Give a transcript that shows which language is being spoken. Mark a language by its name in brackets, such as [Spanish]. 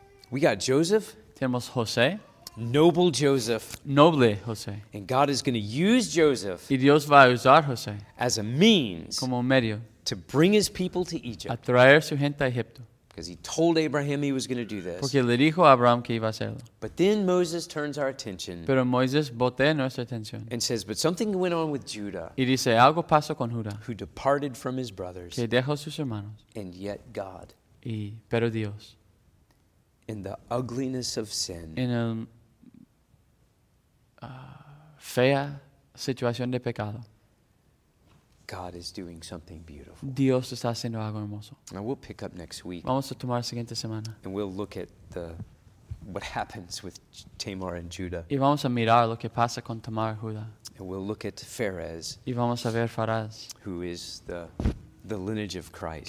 [English] We got Joseph. [Spanish] Tenemos José. [English] Noble Joseph. [Spanish] Noble José. [English] And God is going to use Joseph. [Spanish] Y Dios va a usar José. [English] As a means. [Spanish] Como medio. [English] To bring his people to Egypt. [Spanish] A traer su gente a Egipto. [English] Because he told Abraham he was going to do this. [Spanish] Porque le dijo a Abraham que iba a hacerlo. [English] But then Moses turns our attention. [Spanish] Pero Moisés voltea nuestra atención. [English] And says, but something went on with Judah. [Spanish] Y dice, algo pasó con Judá. [English] Who departed from his brothers. [Spanish] Que dejó sus hermanos. [English] And yet God. [Spanish] Y pero Dios. [English] In the ugliness of sin. [Spanish] En el fea situación de pecado. [English] God is doing something beautiful. [Spanish] Dios está haciendo algo hermoso. [English] Now we'll pick up next week. [Spanish] Vamos a tomar la siguiente semana. [English] And we'll look at the what happens with Tamar and Judah. [Spanish] Y vamos a mirar lo que pasa con Tamar y Judá. [English] And we'll look at Phares. [Spanish] Y vamos a ver Phares. [English] Who is the lineage of Christ?